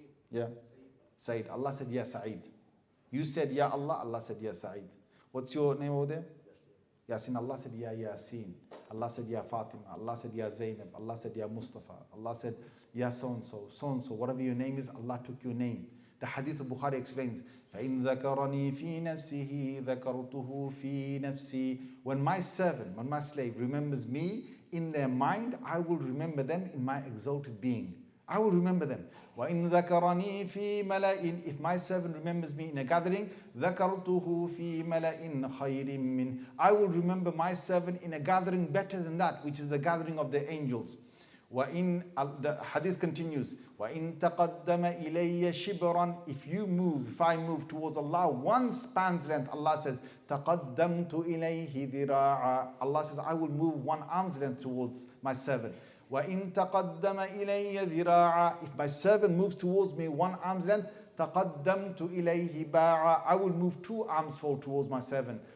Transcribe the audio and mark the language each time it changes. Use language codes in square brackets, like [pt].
[en] Yeah. Saeed. Allah said, Ya Saeed. You said, Ya Allah. Allah said, Ya Saeed. What's your name over there? Yasin. Allah said, Ya Yasin. Allah said, Ya Fatima. Allah said, Ya Zainab. Allah said, Ya Mustafa. Allah said, Ya so-and-so, so-and-so. Whatever your name is, Allah took your name. The hadith of Bukhari explains, [ar] فَإِنْ ذَكَرَنِي فِي نَفْسِهِ ذَكَرْتُهُ فِي نَفْسِي. [en] When my servant, when my slave remembers me in their mind, I will remember them in my exalted being. I will remember them. [ar] وَإِنْ ذَكَرَنِي فِي مَلَئٍ. [en] If my servant remembers me in a gathering, [ar] ذَكَرْتُهُ فِي مَلَئٍ خَيْرٍ مِّنْ. [en] I will remember my servant in a gathering better than that, which is the gathering of the angels. [ar] وَإِنْ, [en] the hadith continues, [ar] وَإِنْ تَقَدَّمَ إِلَيَّ شِبْرًا. [en] If you move, if I move towards Allah, one span's length, Allah says, [ar] تَقَدَّمْتُ إِلَيْهِ ذِرَاعًا. [en] Allah says, I will move one arm's length towards my servant. [ar] وَإِنْ تَقَدَّمَ إِلَيَّ ذِرَاعًا. [en] If my servant moves towards me one arm's length, [ar] تَقَدَّمْتُ إِلَيْهِ بَاعًا. [en] I will move two arms full towards my servant.